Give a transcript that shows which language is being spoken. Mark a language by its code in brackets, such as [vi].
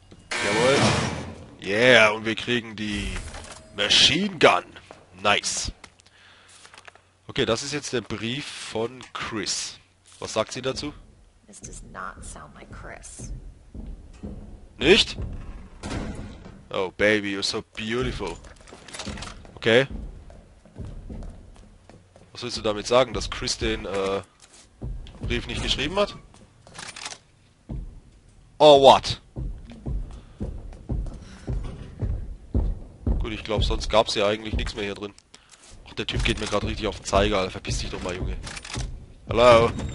[de] Jawohl. [en] Yeah, [de] und wir kriegen die Machine Gun. [en] Nice. [de] Okay, das ist jetzt der Brief von Chris. Was sagt sie dazu? [en] This does not sound like Chris. [de] Nicht? [en] Oh, baby, you're so beautiful. Okay. [de] Was willst du damit sagen, dass Chris den Brief nicht geschrieben hat? [en] Or what? [de] Gut, ich glaube, sonst gab es ja eigentlich nichts mehr hier drin. Ach, der Typ geht mir gerade richtig auf den Zeiger, Alter. Verpiss dich doch mal, Junge. Hello?